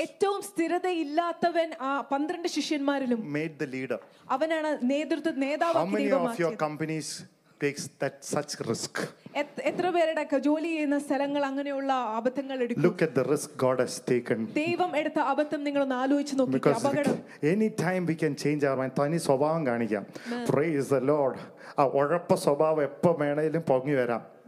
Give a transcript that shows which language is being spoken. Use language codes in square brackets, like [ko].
[ml] ഏറ്റവും സ്ഥിരതയില്ലാത്തവൻ ആ 12 ശിഷ്യന്മാരിലും. [en] Made the leader. [ml] അവനാണ് നേതൃത്വ നേതാവ് ആക്കി മാറ്റി. [en] How many of your companies takes that such risk? [ml] എത്ര പേരടക്ക ജോലി ചെയ്യുന്ന സ്ഥലങ്ങൾ അങ്ങനെയുള്ള അബദ്ധങ്ങൾ എടുക്കും. [en] Look at the risk God has taken. [ml] ദൈവം എടുത്ത അബദ്ധം നിങ്ങൾ ഒന്ന് ആലോചിച്ച് നോക്കിയേ. അപകടം. [en] Any time we can change our mind. [ml] തനി സ്വഭാവം കാണിക്കാം. [en] Praise the Lord. [ml] ആ ഉഴപ്പ സ്വഭാവം എപ്പോ വേണേലും പൊങ്ങി വരാം.